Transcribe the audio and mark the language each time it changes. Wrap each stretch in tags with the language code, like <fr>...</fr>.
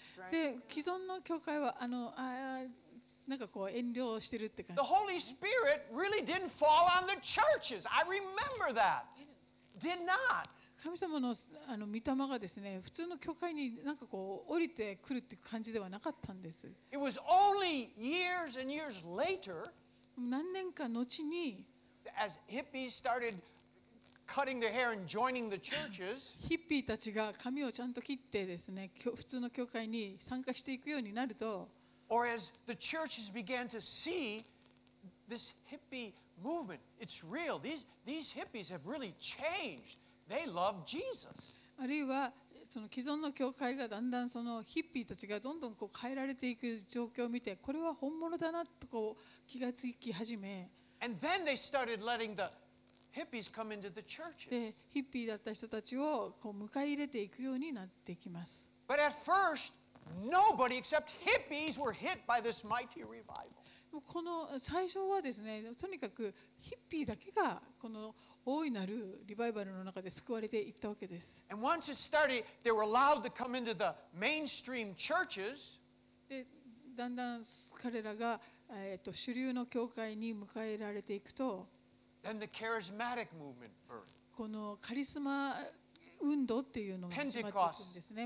<ja>で既存の教会はあのあなんかこう遠慮してるって感じ。</ja> <en>The Holy Spirit really didn't fall on the churches. I remember that. Did not.</en> <ja>神様のあの御霊がですね、普通の教会になんかこう降りてくるって感じではなかったんです。</ja> <en>It was only years and years later.</en> <ja>何年か後に、</ja> <en>as hippies started cutting their hair and joining the churches.</en> <ja>ヒッピーたちが髪をちゃんと切ってですね、普通の教会に参加していくようになると。</ja> <en>Or as the churches began to see this hippie movement, it's real. These hippies have really changed. They love Jesus.</en> <ja>あるいはその既存の教会がだんだんそのヒッピーたちがどんどんこう変えられていく状況を見て、これは本物だなとこう気がつき始め。</ja> <en>And then they started letting the hippies come into the churches.</en> <ja>でヒッピーだった人たちをこう迎え入れていくようになっていきます。</ja> <en>But at first. Nobody except hippies were hit by this mighty revival.</en> <ja>この最初はですね、とにかくヒッピーだけがこの大いなるリバイバルの中で救われていったわけです。</ja> <en>And once it started, they were allowed to come into the mainstream churches.</en> <ja>で、だんだん彼らが主流の教会に迎えられていくと、</ja> <en>then the charismatic movement birthed.</en> <ja>このカリスマ運動っていうのが始まっていくんですね。</ja>